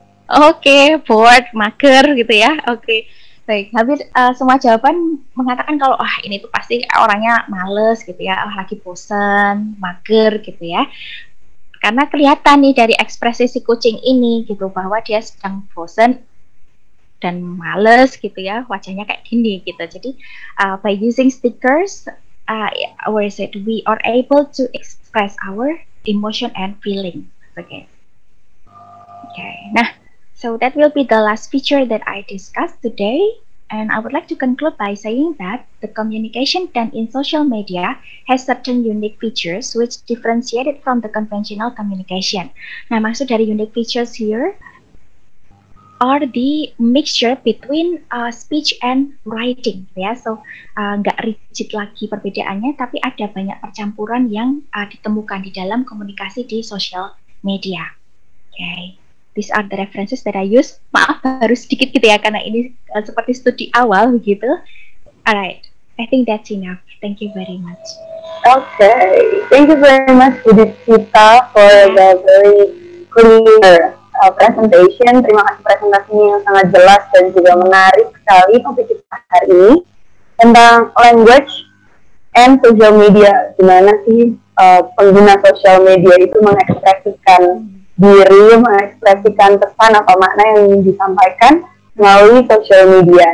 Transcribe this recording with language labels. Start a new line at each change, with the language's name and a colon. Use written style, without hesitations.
Indonesian: Okay, bored, mager gitu ya. Okay. Baik, hampir semua jawaban mengatakan kalau ini tuh pasti orangnya males gitu ya, lagi bosan, mager gitu ya. Karena kelihatan nih dari ekspresi si kucing ini gitu, bahwa dia sedang bosan dan males gitu ya, wajahnya kayak gini gitu.
English: Jadi by using stickers, where is it, we are able to express our emotion and feeling. Okay. Nah, so that will be the last feature that I discussed today, and I would like to conclude by saying that the communication done in social media has certain unique features which differentiate it from the conventional communication.
Indonesian: Nah, maksud dari
English: unique features here are the mixture between speech and writing, ya.
Indonesian: So nggak rigid lagi perbedaannya, tapi ada banyak percampuran yang ditemukan di dalam komunikasi di social media. Okay.
English: These are the references that I use.
Indonesian: Maaf, baru sedikit gitu ya, karena ini seperti studi awal gitu.
English: Alright, I think that's enough. Thank you very much. Okay, thank you very much, Budita, for the very clear presentation.
Indonesian: Terima kasih presentasinya yang sangat jelas dan juga menarik sekali topik kita hari ini tentang
English: language and social media.
Indonesian: Gimana sih pengguna social media itu mengekspresikan diri, mengekspresikan pesan atau makna yang ingin disampaikan melalui social media.